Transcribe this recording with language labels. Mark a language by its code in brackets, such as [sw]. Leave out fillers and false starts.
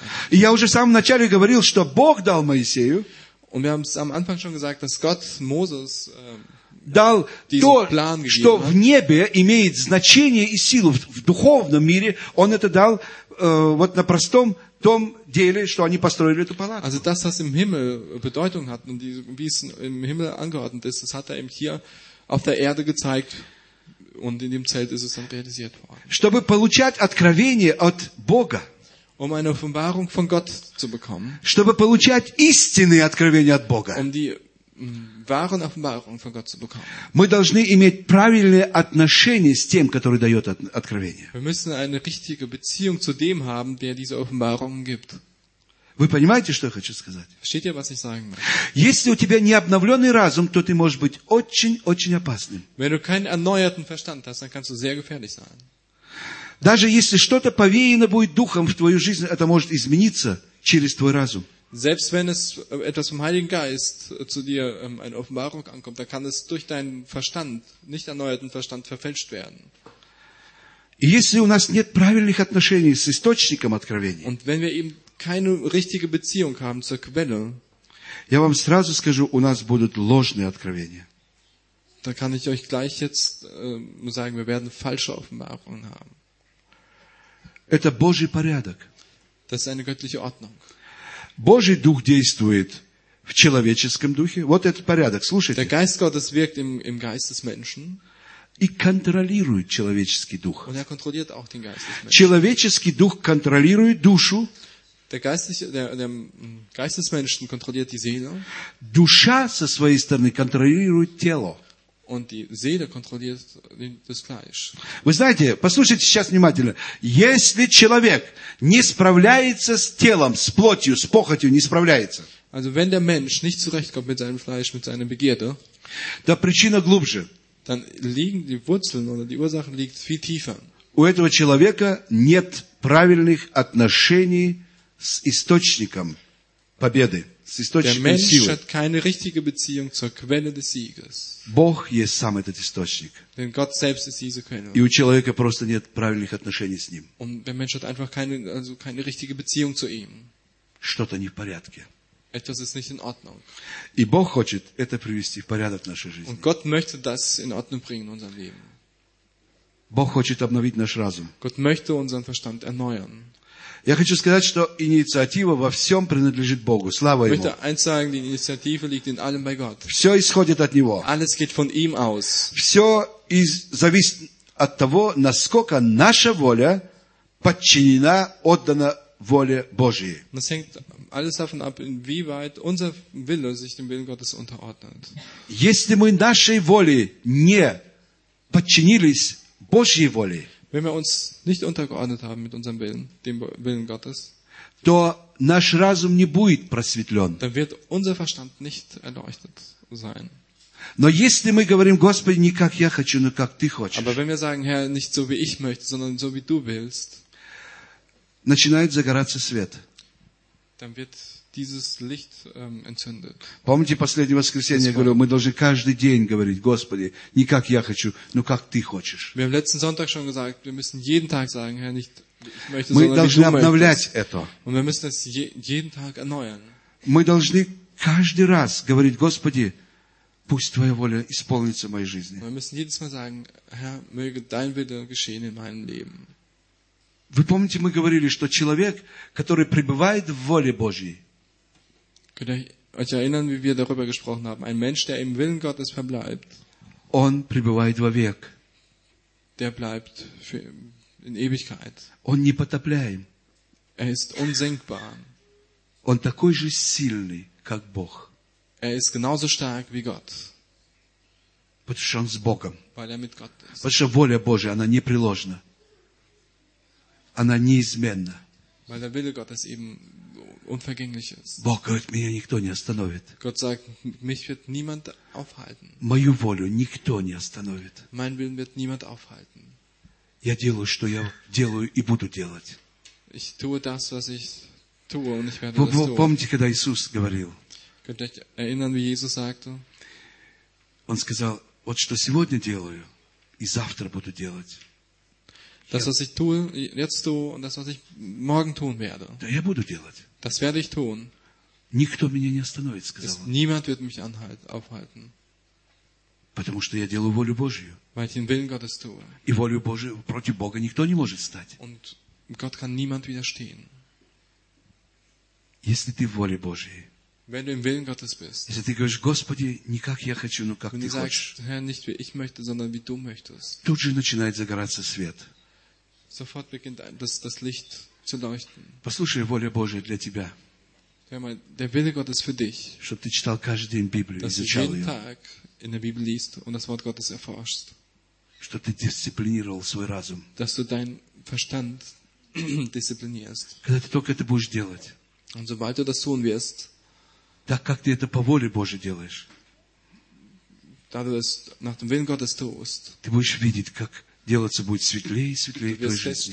[ru] Я уже в самом начале говорил, что Бог дал Моисею. [de] Und wir haben es am Anfang schon gesagt, dass Gott Moses [ru] дал то, что в небе имеет значение и силу в духовном мире. Он это дал вот на простом том деле, что они построили эту палатку. [de] Also das, was im Himmel Bedeutung hat und wie es im Himmel angeordnet ist, das hat eben hier auf der Erde gezeigt. Und in dem Zelt ist es dann realisiert worden. [ru] Чтобы получать откровение от Бога. [de] Um eine Offenbarung von Gott zu bekommen. [ru] Чтобы получать истинные откровения от Бога. [de] Um die wahren Offenbarung von Gott zu bekommen. [ru] Мы должны иметь правильное отношение с тем, который дает откровение. [de] Wir müssen eine richtige Beziehung zu dem haben, der diese Offenbarung gibt. [ru] Вы понимаете, что я хочу сказать? [de] Versteht ihr, was ich sagen möchte? [ru] Если у тебя не обновленный разум, то ты можешь быть очень-очень опасным. [de] Wenn du keinen erneuerten Verstand hast, dann kannst du sehr gefährlich sein. [ru] Даже если что-то повеяно будет духом в твою жизнь, это может измениться через твой разум. [de] Selbst wenn es etwas vom Heiligen Geist zu dir eine Offenbarung ankommt, dann kann es durch deinen Verstand, nicht erneuerten Verstand, verfälscht werden. [ru] И если у нас нет правильных отношений с источником откровения, [de] und wenn wir eben keine richtige Beziehung haben zur Quelle, [ru] я вам сразу скажу, у нас будут ложные откровения. [de] Da kann ich euch gleich jetzt sagen, wir werden falsche Offenbarungen haben. [ru] Это Божий порядок. [de] Das ist eine göttliche Ordnung. [ru] Божий дух действует в человеческом духе. Вот этот порядок. Слушайте. [de] Der Geist Gottes wirkt im Geist des Menschen. [ru] И контролирует человеческий дух. [de] Und er kontrolliert auch den Geist des Menschen. [ru] Человеческий дух контролирует душу. [de] Der Geist des Menschen kontrolliert die Seele. [ru] Душа со своей стороны контролирует тело. [de] Und die Seele kontrolliert das Fleisch. [ru] Вы знаете, послушайте сейчас внимательно. Если человек не справляется с телом, с плотью, с похотью, не справляется. [de] Also wenn der Mensch nicht zurechtkommt mit seinem Fleisch, mit seiner Begierde, [ru] то причина глубже. [de] Dann liegen die Wurzeln oder die Ursache liegt viel tiefer. [ru] У этого человека нет правильных отношений с источником победы. [de] Der Mensch hat keine richtige Beziehung zur Quelle des Sieges. [ru] Бог есть сам этот источник. [de] Denn Gott selbst ist diese Quelle. [ru] И у человека просто нет правильных отношений с ним. [de] Und der Mensch hat einfach keine richtige Beziehung zu ihm. [ru] Что-то не в порядке. [de] Etwas ist nicht in Ordnung. [ru] И Бог хочет это привести в порядок в нашей жизни. [de] Und Gott möchte das in Ordnung bringen in unserem Leben. [ru] Бог хочет обновить наш разум. [de] Gott möchte unseren Verstand erneuern. [ru] Я хочу сказать, что инициатива во всем принадлежит Богу. Слава Ему. [de] Sagen, die Initiative liegt in allem bei Gott. [ru] Все исходит от Него. [de] Alles geht von ihm aus. [ru] Все зависит от того, насколько наша воля подчинена, отдана воле Божьей. [de] Das hängt alles davon ab, inwieweit unser Wille sich dem Willen Gottes unterordnet. [ru] Если мы нашей воле не подчинились Божьей воле, [de] wenn wir uns nicht untergeordnet haben mit unserem Willen, dem Willen Gottes, [ru] то наш разум не будет просветлен. [de] Dann wird unser Verstand nicht erleuchtet sein. [ru] Но если мы говорим, Господи, не как я хочу, но как ты хочешь. [de] Aber wenn wir sagen, Herr, nicht so wie ich möchte, sondern so wie du willst, [ru] начинает загораться свет. [de] Dann wird dieses Licht entzündet. [ru] Помните, последнее воскресенье я говорил, мы должны каждый день говорить, Господи, не как я хочу, но как ты хочешь. [de] Wir haben letzten Sonntag schon gesagt, wir müssen jeden Tag sagen, Herr, nicht ich möchte, [ru] мы [de] sondern [ru] должны [de] wie du [ru] обновлять [de] möchtest. [ru] Это. [de] Und wir müssen das jeden Tag erneuern. [ru] Мы должны каждый раз говорить, Господи, пусть твоя воля исполнится в моей жизни. [de] Wir müssen jedes Mal sagen, Herr, möge dein Wille geschehen in meinem Leben. [ru] Вы помните, мы говорили, что человек, который пребывает в воле Божьей, [de] könnt ihr euch erinnern, wie wir darüber gesprochen haben? Ein Mensch, der im Willen Gottes verbleibt, [ru] он пребывает вовек. [de] Der bleibt in Ewigkeit. [ru] Он непотопляем. [de] Er ist unsinkbar. [ru] Он такой же сильный, как Бог. [de] Er ist genauso stark wie Gott. [ru] Потому что он с Богом. [de] Weil er mit Gott ist. [ru] Потому что воля Божия, она непреложна. Она неизменна. [de] Weil der Wille Gottes eben unvergänglich ist. [ru] Бог говорит, меня никто не остановит. [de] Gott sagt, mich wird niemand aufhalten. [ru] Мою волю никто не остановит. [de] Meinen Willen wird niemand aufhalten. [ru] Я делаю, что я делаю и буду делать. [de] Ich tue das, was ich tue und ich werde das tun. [ru] Помните, когда Иисус говорил? [de] Könnt ihr euch erinnern, wie Jesus sagte? [ru] Он сказал, вот что сегодня делаю и завтра буду делать. [de] Das, was ich tue, jetzt tue und das, was ich morgen tun werde. [ru] Да, я буду делать. [de] Das werde ich tun. [ru] Никто меня не остановит, сказал он. [de] Niemand wird mich aufhalten. [ru] Потому что я делаю волю Божию. [de] Weil ich den Willen Gottes tue. [ru] И волю Божию против Бога никто не может стать. [de] Und Gott kann niemand widerstehen. [ru] Если ты в воле Божией. [de] Wenn du im Willen Gottes bist. [ru] Если ты говоришь, Господи, не как я хочу, но как ты хочешь. [de] Herr, nicht wie ich möchte, sondern wie du möchtest. [ru] Тут же начинает загораться свет. [de] Sofort beginnt das Licht zu leuchten. [ru] Послушай, воля Божия для тебя. [de] Hör mal, der Wille Gottes für dich. [ru] Чтоб ты читал каждый день Библию, [de] dass [ru] изучал [de] jeden [ru] ее. [de] Tag in der Bibel liest und das Wort Gottes erforschst. [ru] Чтоб ты дисциплинировал свой разум. [de] Dass du deinen Verstand disziplinierst. [ru] Когда ты только это будешь делать. [de] Und sobald du das tun wirst. [ru] Так как ты это по воле Божией делаешь. [de] Da du das nach dem Willen Gottes tust. [ru] Ты будешь видеть, как делаться будет светлее и светлее в твоей жизни.